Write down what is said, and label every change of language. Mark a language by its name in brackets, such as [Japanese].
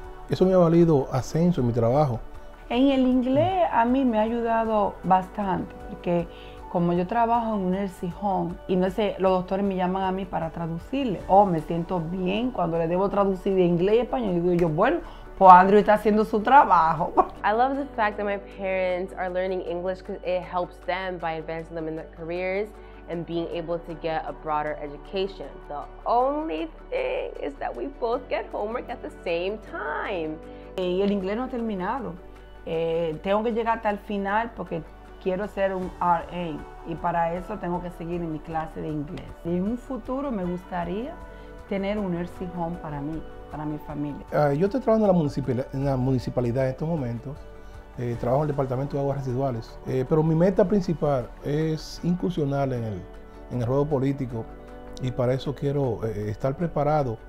[Spanish] Eso me ha valido ascenso en mi trabajo. En el inglés a mí me ha ayudado bastante, porque como yo trabajo en un nursing home, y no sé, los doctores me llaman a mí para traducirle. Me siento bien cuando le debo traducir de inglés y español. Y digo yo, bueno, pues Andrew está haciendo su trabajo. [English] I love the fact that my parents are learning English because it helps them by advancing them in their careers and being able to get a broader education. The only thing is that we both get homework at the same time. [Spanish] Y el inglés no ha terminado. Tengo que llegar hasta el final porque quiero ser un RA. Y para eso tengo que seguir en mi clase de inglés. Y en un futuro me gustaría tener un nursing home para mí, para mi familia. Yo estoy trabajando en la municipalidad en estos momentos. Trabajo en el Departamento de Aguas Residuales, pero mi meta principal es incursionar en el ruedo político, y para eso quiero estar preparado.